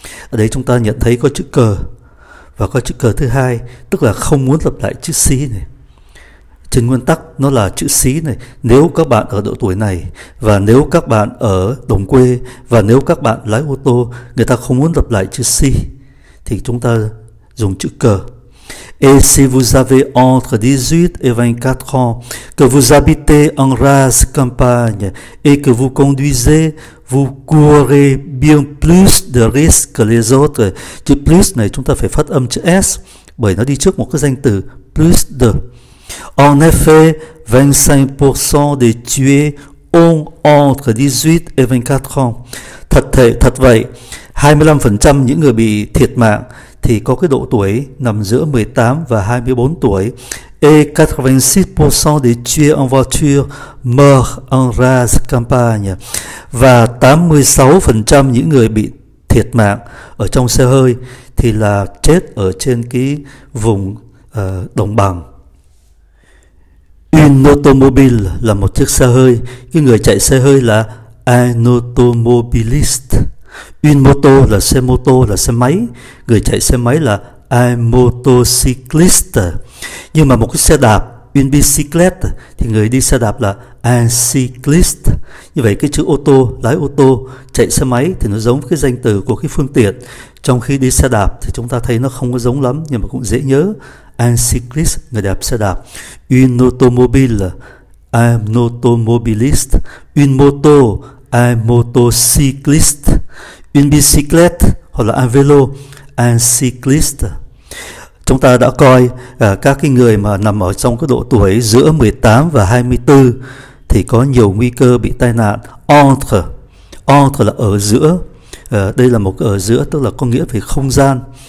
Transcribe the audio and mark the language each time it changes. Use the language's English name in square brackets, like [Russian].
[Vietnamese] Ở đây chúng ta nhận thấy có chữ cờ và có chữ cờ thứ hai, tức là không muốn lặp lại chữ xí này. Trên nguyên tắc nó là chữ xí này. Nếu các bạn ở độ tuổi này và nếu các bạn ở đồng quê và nếu các bạn lái ô tô, người ta không muốn lặp lại chữ xí thì chúng ta dùng chữ cờ. [French] Et si vous avez entre 18 et 24 ans, que vous habitez en rase campagne et que vous conduisez, vous courez bien plus de risques que les autres. [Vietnamese] Chữ plus này chúng ta phải phát âm chữ S bởi nó đi trước một cái danh từ plus de. [French] En effet, 25% des tués ont entre 18 et 24 ans. [Vietnamese] Thật vậy, 25% những người bị thiệt mạng thì có cái độ tuổi nằm giữa 18 và 24 tuổi. [French] Et 86% des tués en voiture meurent en rase campagne. [Vietnamese] Và 86% những người bị thiệt mạng ở trong xe hơi thì là chết ở trên cái vùng đồng bằng. Un automobile là một chiếc xe hơi. Cái người chạy xe hơi là un automobiliste. Une moto là xe mô tô, là xe máy. Người chạy xe máy là un motocycliste. Nhưng mà một cái xe đạp une bicyclette thì người đi xe đạp là un cycliste. Như vậy cái chữ ô tô, lái ô tô, chạy xe máy thì nó giống với cái danh từ của cái phương tiện. Trong khi đi xe đạp thì chúng ta thấy nó không có giống lắm nhưng mà cũng dễ nhớ. Un cycliste, người đạp xe đạp. [French] Une automobile, un automobiliste. Une moto, un motocycliste. Une bicyclette [Vietnamese] hoặc là [French] un vélo, un cycliste. [Vietnamese] Chúng ta đã coi các cái người mà nằm ở trong cái độ tuổi giữa 18 và 24 thì có nhiều nguy cơ bị tai nạn. Entre, entre là ở giữa, đây là một ở giữa tức là có nghĩa về không gian.